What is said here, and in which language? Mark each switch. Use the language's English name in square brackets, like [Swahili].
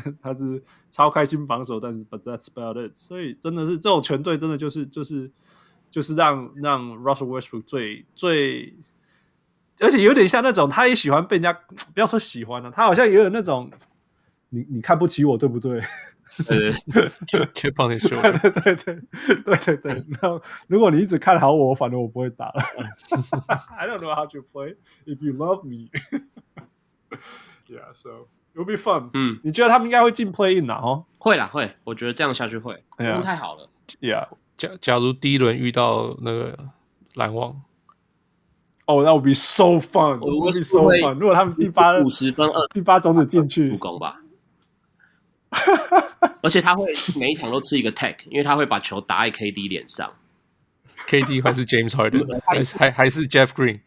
[Chinese] 他是超开心防守，但是 [English] but that's about it。 [Chinese] 所以真的是这种全队真的就是让 Russell Westbrook 最，而且有点像那种他也喜欢被人家不要说喜欢了、啊，他好像也有那种你看不起我对不对？去帮你说，对，然后如果你一直看好我，反正我不会打了。 [English] I don't know how to play if you love me. Yeah, so it'll be fun.、 [Chinese] 你觉得他们应该会进 play in 啦、啊？哦，会啦，会。我觉得这样下去会，不、 [English] yeah. [Chinese] 太好了。 [English] Yeah， [Chinese] 假如第一轮遇到那个篮网 [English] ，Oh, that would be so fun. That would be so fun. [Chinese] 如果他们第八种子进去，助攻吧。而且他会每一场都吃一个 tag， 因为他会把球打在 KD 脸上。 KD 还是 James Harden， 还是 Jeff Green，